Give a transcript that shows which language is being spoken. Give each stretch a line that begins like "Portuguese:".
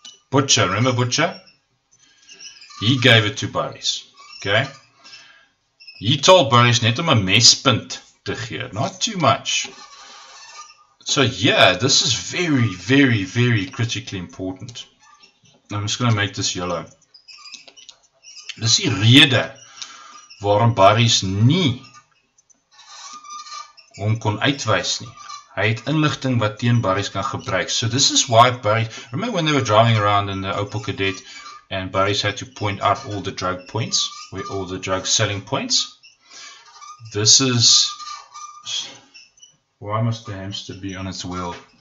English: Butcher, remember Butcher? He gave it to Boris. Okay? He told Boris
Afrikaans: net om 'n mespunt te gee.
English: Not too much. So yeah, this is very, very, very critically important. I'm just going to make this yellow.
Afrikaans: Dis die rede waarom Boris nie hom kon uitwys nie. Hy het inligting wat teen Boris kan gebruik.
English: So this is why Boris, remember when they were driving around in the Opel Kadett and Boris had to point out all the drug points, where all the drug selling points. This is, why must the hamster be on its wheel?